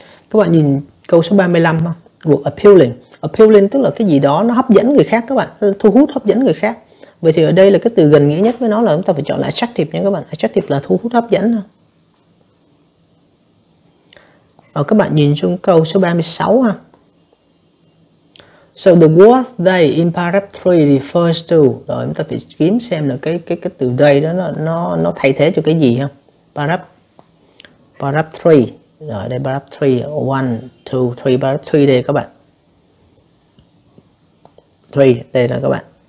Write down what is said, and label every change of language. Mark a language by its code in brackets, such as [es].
[vi] Các bạn nhìn câu số 35 ha. [en] Word appealing. [vi] Appealing tức là cái gì đó nó hấp dẫn người khác các bạn, thu hút hấp dẫn người khác. Vậy thì ở đây là cái từ gần nghĩa nhất với nó là chúng ta phải chọn là attractive nha các bạn. Attractive là thu hút hấp dẫn. Rồi các bạn nhìn xuống câu số 36 ha. [en] So the word they in paragraph 3 refers to. [vi] Rồi chúng ta phải kiếm xem là cái từ they đó nó thay thế cho cái gì ha. Paragraph 3. Rồi đây paragraph 3. 1, 2, 3. Paragraph 3 đây các bạn. 3 đây là các bạn.